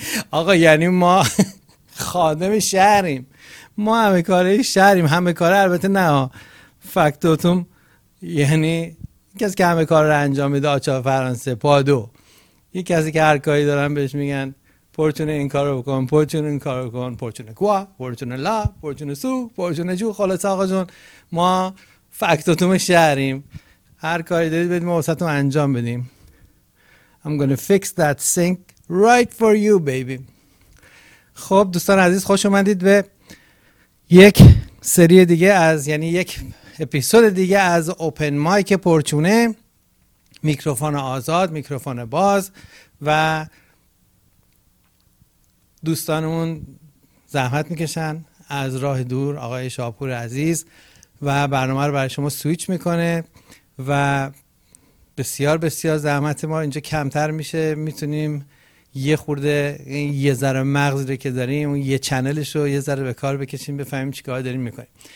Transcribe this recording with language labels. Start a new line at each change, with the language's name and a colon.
Persian: آقا یعنی ما خادم شهریم، ما همه کاره شهریم، همه کاره البته نه، فکتوتوم یعنی کسی که همه کار رو انجام میده، آچار فرانسه، پادو، یه کسی که هر کاری دارن بهش میگن پرچونه این کار رو بکن، پرچونه این کار رو بکن، پرچونه کوا، پرچونه لا، پرچونه سو، پرچونه جو. خلاص آقا جون ما فکتوتوم شهریم، هر کاری دارید بدیم واسه انجام بدیم.
English: I'm gonna fix that sink right for you baby.
Persian: خب دوستان عزیز، خوش اومدید به یک سری دیگه از، یعنی یک اپیزود دیگه از اوپن مایک پرچونه، میکروفون آزاد، میکروفون باز، و دوستانمون زحمت میکشن از راه دور، آقای شاپور عزیز، و برنامه رو برای شما سویچ میکنه و بسیار بسیار زحمت ما اینجا کمتر میشه، میتونیم یه خورده این یه ذره مغز رو که داریم، اون یه چنلش رو یه ذره به کار بکشیم، بفهمیم چیکار داریم میکنیم.